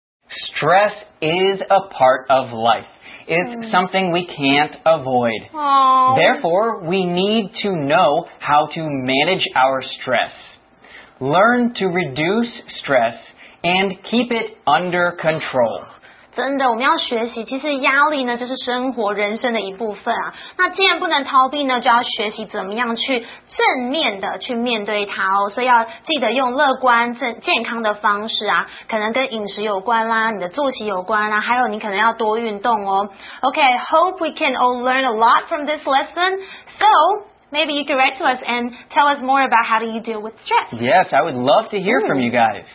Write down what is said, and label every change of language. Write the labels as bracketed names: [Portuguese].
[English] Stress is a part of life. It's something we can't avoid. Therefore, we need to know how to manage our stress. Learn to reduce stress and keep it under control. [Chinese] 真的，我们要学习。其实压力呢，就是生活、人生的一部分啊。那既然不能逃避呢，就要学习怎么样去正面的去面对它哦。所以要记得用乐观、健康的方式啊，可能跟饮食有关啦，你的作息有关啦，还有你可能要多运动哦。 [English] Okay, hope we can all learn a lot from this lesson. So maybe you can write to us and tell us more about how do you deal with stress. Yes, I would love to hear from you guys.